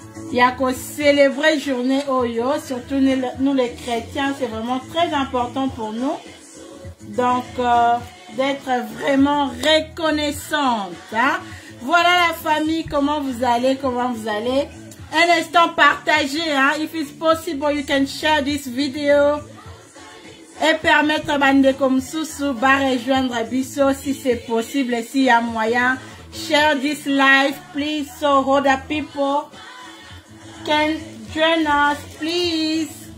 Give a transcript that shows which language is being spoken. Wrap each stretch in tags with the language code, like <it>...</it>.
<fr>Il y a qu'au célébrer journée Oyo, surtout nous les chrétiens, c'est vraiment très important pour nous. Donc, d'être vraiment reconnaissante. Hein? Voilà la famille, comment vous allez, comment vous allez. Un instant partagé, hein?</fr> <en>If it's possible, you can share this video.</en> <fr>Et permettre à Bande Komsusu de rejoindre Bisso si c'est possible, s'il y a moyen.</fr> <en>Share this live, please, so other people can join us, please.</en>